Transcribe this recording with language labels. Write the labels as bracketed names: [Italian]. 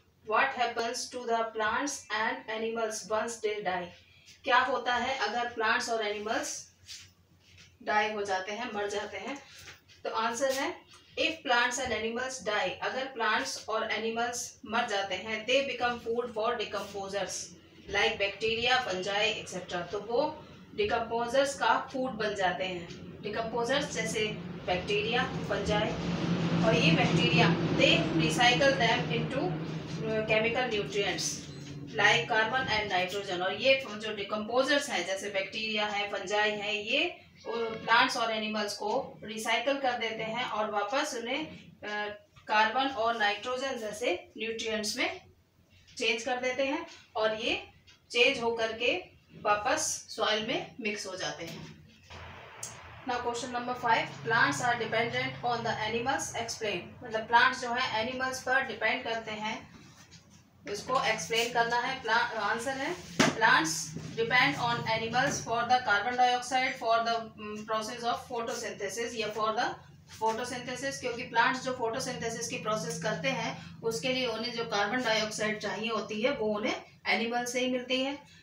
[English] What happens to the plants and animals once they die? [Hindi] क्या होता है अगर plants और animals die हो जाते हैं, मर जाते हैं? तो answer है, [English] if plants and animals die, [Hindi] अगर plants और animals मर जाते हैं, [English] they become food for decomposers like bacteria, fungi, etc. [Hindi] तो वो decomposers का food बन जाते हैं. [English] Decomposers [Hindi] जैसे बैक्टीरिया बन जाए, और ये [English] Bacteria they recycle them into chemical nutrients like carbon and nitrogen. [Hindi] और ये जो डिकम्पोजर्स हैं जैसे बैक्टीरिया है फंजाई है, ये प्लांट्स और एनिमल्स को रिसाइकल कर देते हैं और वापस उन्हें कार्बन और नाइट्रोजन जैसे न्यूट्रिएंट्स में चेंज कर देते हैं, और ये चेंज होकर के वापस सॉइल में मिक्स हो जाते हैं. [English] Now question number 5, plants are dependent on the animals, explain. [Hindi] मतलब plants जो है animals पर depend करते हैं, उसको explain करना है. Answer है, [English] plants depend on animals for the carbon dioxide, for the process of photosynthesis, [Hindi] या [English] for the photosynthesis, [Hindi] क्योंकि plants जो photosynthesis की process करते हैं, उसके लिए उन्हें जो carbon dioxide चाहिए होती है, वो उन्हें animals से ही मिलती है.